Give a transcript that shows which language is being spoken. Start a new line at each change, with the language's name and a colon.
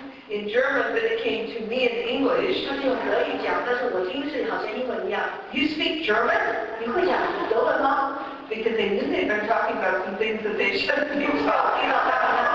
English: ，In German, but it came to me in English.
Chinese: 他就用德语讲，但是我听是好像英文一样。
English: You speak German?
Chinese: 你会讲德文吗？
English: Because they knew they'd been talking about some things that they shouldn't be talking about.